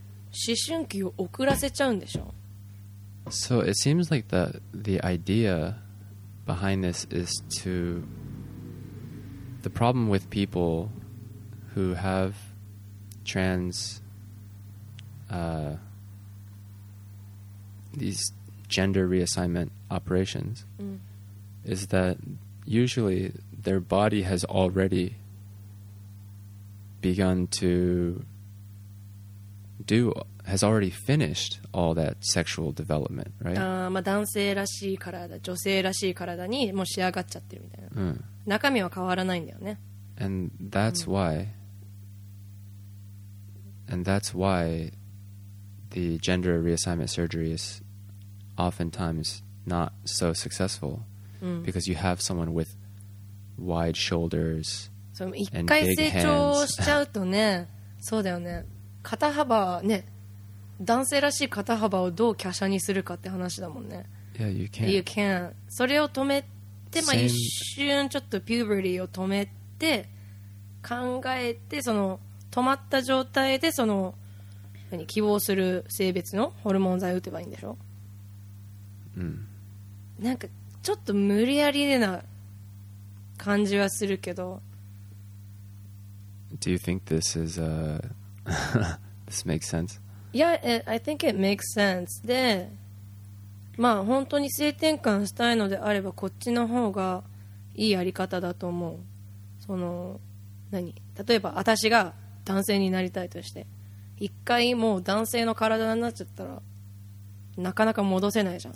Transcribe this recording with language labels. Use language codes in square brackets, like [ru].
[ja] 思春期を遅らせちゃうんでしょ。 [en] So it seems like the idea behind this is to the problem with people who have trans these gender reassignment operations、 mm. is that usually their body has already begun to do, has already finished all that sexual development, right? [ja] Ah, まあ男性らしい体、女性らしい体にもう仕上がっちゃってるみたいな。うん。中身は変わらないんだよね。 [en] And that's、mm. why, and that's why the gender reassignment surgery isoftentimes not so successful、 [ja] うん、 [en] because you have someone with wide shoulders [ja] and big hands. 一回成長しちゃうとね、そうだよね。肩幅ね、男性らしい肩幅をどう華奢にするかって話だもんね。 [en] Yeah, you can't. [ja] You can't. それを止めで、まあ、一瞬ちょっとピューブリーを止めて考えて、その止まった状態でその何希望する性別のホルモン剤を打てばいいんでしょ。うん、なんかちょっと無理やりな感じはするけど。 [en] Do you think this is this makes sense? Yeah, I think it makes sense. [ja] で、まあ本当に性転換したいのであればこっちの方がいいやり方だと思う。その何、例えば私が男性になりたいとして、一回もう男性の体になっちゃったらなかなか戻せないじゃん。